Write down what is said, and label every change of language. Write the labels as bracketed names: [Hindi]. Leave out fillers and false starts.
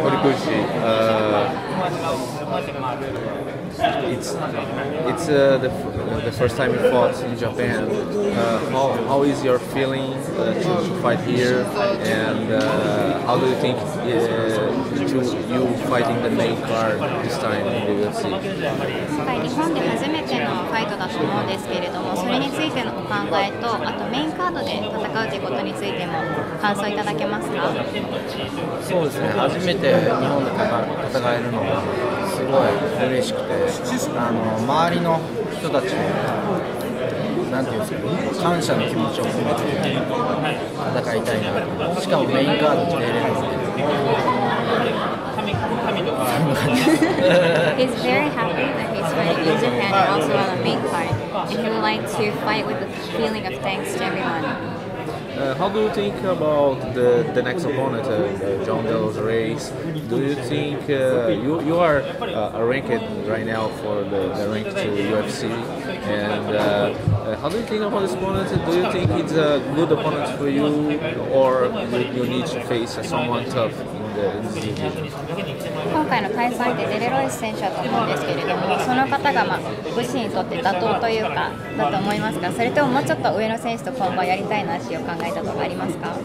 [English] Horikoshi, the first time you fought in Japan. How is your feeling to fight here, and how do you think to you fighting the main card this time in the UFC? [Japanese] 日本で初めてのファイトだと思うんですけれども、それについてのお考えと、あとメインカードで戦うということについても感想いただけますか？そうですね、初めて日本で戦えるのがすごい嬉しくて、周りの人たちに、なんていうんですかね、感謝の気持ちを込めて戦いたいなと、しかもメインカードに出れるので、 [English] He's very happy that he's fighting in Japan and also on a main card. And he would like to fight with a feeling of thanks to everyone. How do you think about the next opponent, John Del's race? Do you think you are ranked right now for the rank to UFC? And how do you think about this opponent? Do you think it's a good opponent for you, or you need to face someone tough? [Japanese] 今回の対戦相手デレロイス選手だと思うんですけれども、その方が、武士にとって妥当というかだと思いますか、それとももうちょっと上の選手と今後やりたいなと考えたとかありますか？